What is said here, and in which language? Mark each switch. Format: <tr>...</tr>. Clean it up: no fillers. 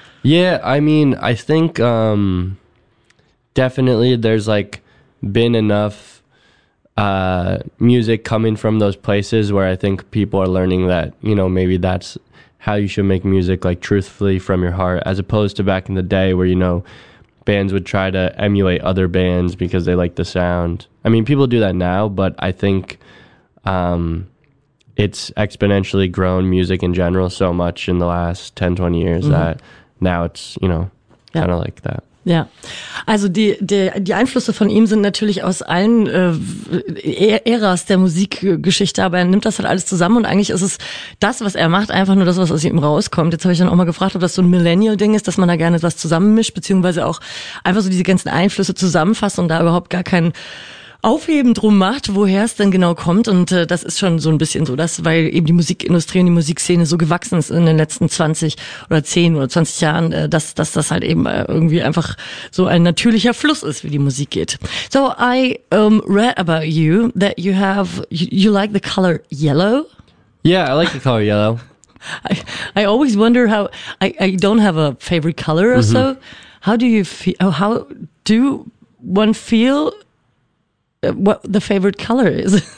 <en>Yeah, I mean, I think definitely there's like been enough music coming from those places where I think people are learning that, you know, maybe that's how you should make music, like truthfully from your heart, as opposed to back in the day where, you know, bands would try to emulate other bands because they like the sound. I mean, people do that now, but I think it's exponentially grown music in general so much in the last 10, 20 years that now it's, you know, kind of like that.</en> <de>Ja, also die Einflüsse von ihm sind natürlich aus allen Äras der Musikgeschichte, aber er nimmt das halt alles zusammen und eigentlich ist es das, was er macht, einfach nur das, was aus ihm rauskommt. Jetzt habe ich dann auch mal gefragt, ob das so ein Millennial-Ding ist, dass man da gerne was zusammenmischt, beziehungsweise auch einfach so diese ganzen Einflüsse zusammenfasst und da überhaupt gar kein Aufheben drum macht, woher es denn genau kommt und das ist schon so ein bisschen so, dass weil eben die Musikindustrie und die Musikszene so gewachsen ist in den letzten 20 oder 10 oder 20 Jahren, dass das halt eben irgendwie einfach so ein natürlicher Fluss ist, wie die Musik geht.</de> <en>So I read about you that you like the color yellow. Yeah, I like the color yellow. I always wonder how I don't have a favorite color or so. How do you feel? How do one feel what the favorite color is?</en>